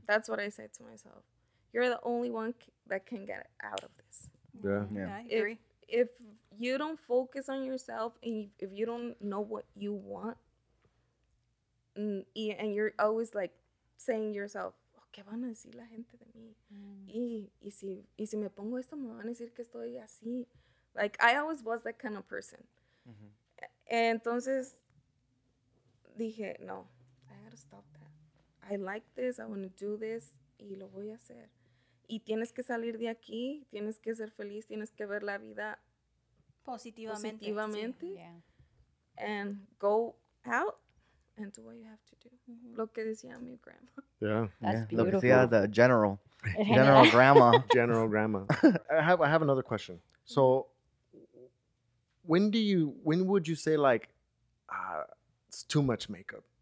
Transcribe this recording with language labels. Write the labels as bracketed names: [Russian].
[English] That's what I said to myself. You're the only one that can get out of this. Yeah. I agree. If you don't focus on yourself and if you don't know what you want and you're always like saying to yourself, oh, [Spanish] ¿qué van a decir la gente de mí? Y si me pongo esto, me van a decir que estoy así. [English] Like, I always was that kind of person. Mm-hmm. And [Spanish] entonces, dije, no, [English] I gotta stop that. I like this, I want to do this, [Spanish] y lo voy a hacer. Y tienes que salir de aquí, tienes que ser feliz, tienes que ver la vida positivamente. Sí. Yeah. [English] And go out and do what you have to do. [Spanish] Mm-hmm. Lo que decía mi grandma. [English] Yeah. That's yeah. Beautiful. [Spanish] Lo que decía [English] the general. [Spanish] General grandma. [English] General grandma. I have another question. So, when would you say, like, it's too much makeup?